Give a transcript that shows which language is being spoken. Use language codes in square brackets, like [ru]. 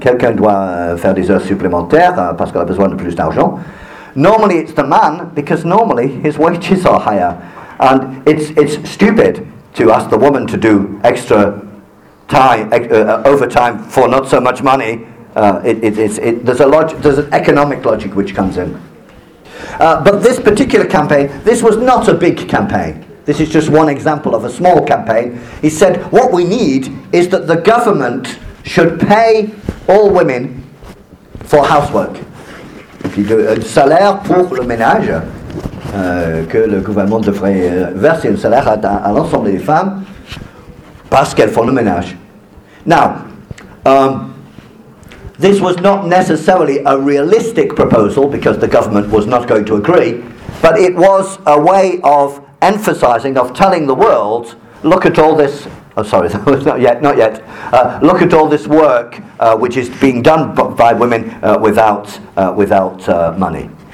[fr] Quelqu'un doit faire des heures supplémentaires parce qu'il a besoin de plus d'argent. [en] Normally it's the man, because normally his wages are higher. And it's stupid to ask the woman to do extra time, overtime for not so much money. There's an economic logic which comes in. But this particular campaign, this was not a big campaign. This is just one example of a small campaign. He said, what we need is that the government should pay all women for housework. [fr] Un salaire pour le ménage, que le gouvernement devrait verser un salaire à l'ensemble des femmes parce qu'elles font le ménage. [en] Now, this was not necessarily a realistic proposal because the government was not going to agree, but it was a way of emphasizing, of telling the world, look at all this, look at all this work which is being done by women without money.